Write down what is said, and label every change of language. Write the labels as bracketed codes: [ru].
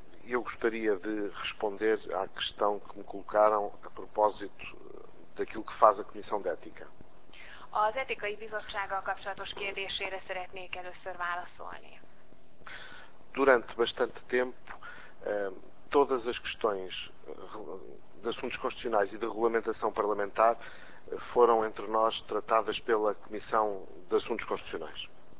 [pt] Eu gostaria de responder à questão que me colocaram a propósito daquilo que faz a Comissão de Ética. [hu] Az etikai bizottsággal kapcsolatos kérdésére szeretnék először válaszolni. [pt] Durante bastante tempo, todas as questões de assuntos constitucionais e de regulamentação parlamentar foram entre nós tratadas pela Comissão de Assuntos Constitucionais.